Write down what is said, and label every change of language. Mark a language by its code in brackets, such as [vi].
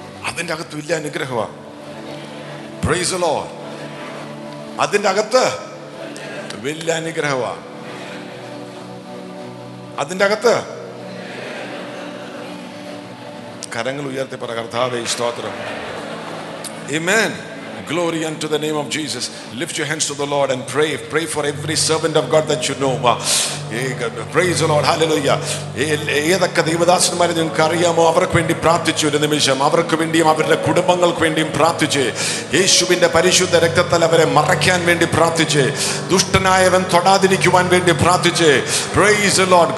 [ml] അതിൻ്റെ അകത്തു വലിയ അനുഗ്രഹമാണ്. [en] Praise the Lord. [ml] അതിന്റെ അകത്ത് വലിയ അനുഗ്രഹമാണ്. അതിന്റെ അകത്ത് കരങ്ങൾ ഉയർത്തി പറ കർത്താവേ സ്തോത്രം. [en] ആമേൻ. Glory unto the name of Jesus. Lift your hands to the Lord and pray. Pray for every servant of God that you know. Praise the Lord. Hallelujah. [ml] ഏതൊക്കെ ദൈവദാസന്മാരെ നിങ്ങൾക്ക് അറിയാമോ അവർക്ക് വേണ്ടി പ്രാർത്ഥിച്ചു ഒരു നിമിഷം. അവർക്ക് വേണ്ടിയും അവരുടെ കുടുംബങ്ങൾക്ക് വേണ്ടിയും പ്രാർത്ഥിച്ച്, യേശുവിന്റെ പരിശുദ്ധ രക്തത്താൽ അവരെ മറയ്ക്കാൻ വേണ്ടി പ്രാർത്ഥിച്ച്, ദുഷ്ടനായവൻ തൊടാതിരിക്കുവാൻ വേണ്ടി പ്രാർത്ഥിച്ച്. [en] Praise the Lord.